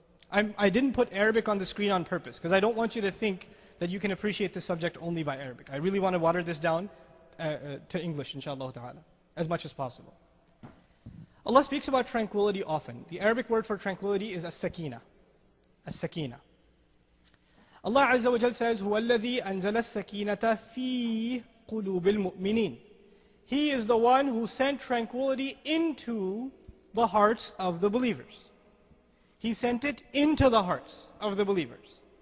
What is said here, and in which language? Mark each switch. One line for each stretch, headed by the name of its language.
English: I didn't put Arabic on the screen on purpose, because I don't want you to think that you can appreciate this subject only by Arabic. I really want to water this down to English, inshallah ta'ala, as much as possible. Allah speaks about tranquility often. The Arabic word for tranquility is as-sakina. As-sakina.
Arabic: Allah Azza wa Jal
English: says,
Arabic: هو الذي أنزل السكينة في قلوب المؤمنين.
English: He is the one who sent tranquility into the hearts of the believers. He sent it into the hearts of the believers.